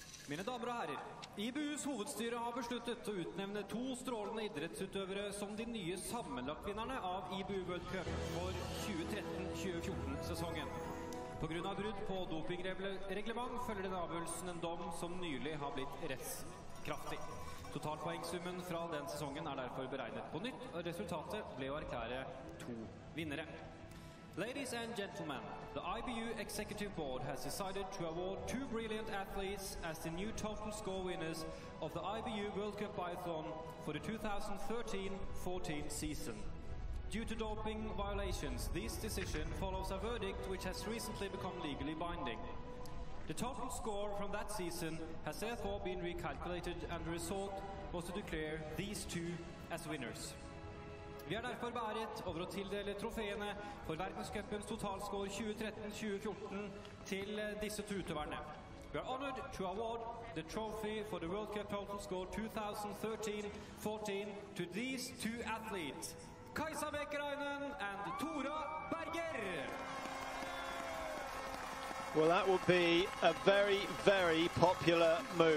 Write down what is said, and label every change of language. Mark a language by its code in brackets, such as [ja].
[no] Mine damer og herrer, IBUs hovedstyre har besluttet å utnevne to strålende idrettsutøvere som de nye sammenlagtvinnerne av IBU World Cup for 2013-2014 sesongen. På grunn av brudd på dopingreglement følger den avgjørelsen en dom som nylig har blitt rettskraftig. Totalpoengsummen fra den sesongen derfor beregnet på nytt, og resultatet ble å erklære to vinnere. [en] Ladies and gentlemen, the IBU Executive Board has decided to award two brilliant athletes as the new total score winners of the IBU World Cup Biathlon for the 2013-14 season. Due to doping violations, this decision follows a verdict which has recently become legally binding. The total score from that season has therefore been recalculated and the result was to declare these two as winners. [no] Vi derfor beæret over å tildele trofeene for verdenscupens totalscore 2013-2014 til disse to utøverne. [en] We are honored to award the trophy for the World Cup total score 2013-14 to these two athletes, Kaisa Makarainen and Tora Berger. Well, that would be a very, very popular move.